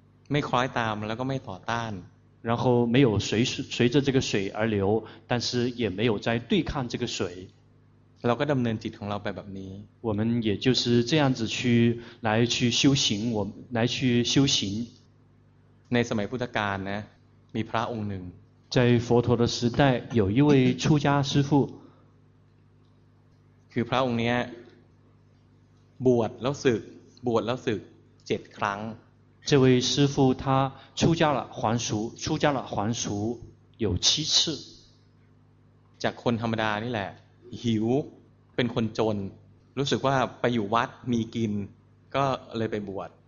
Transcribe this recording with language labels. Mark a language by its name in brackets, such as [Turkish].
[Thai] ไม่คล้อยตามแล้วก็ไม่ต่อต้าน [Chinese] 然后没有随着这个水而流，但是也没有在对抗这个水。 [Thai] เราก็ดำเนินจิตของเราไปแบบนี้。 [Chinese] 我们也就是这样子去来去修行，我来去修行。 [Thai] ในสมัยพุทธกาลนะมีพระองค์หนึ่ง。 [Chinese] 在佛陀的时代，有一位出家师父。 [Thai] คือพระองค์เนี้ยบวชแล้วสึกบวชแล้วสึก7ครั้ง。 [Chinese] 这位师父他出家了还俗，出家了还俗有七次。 [Thai] จากคนธรรมดานี่แหละหิวเป็นคนจนรู้สึกว่าไปอยู่วัดมีกินก็เลยไปบวช。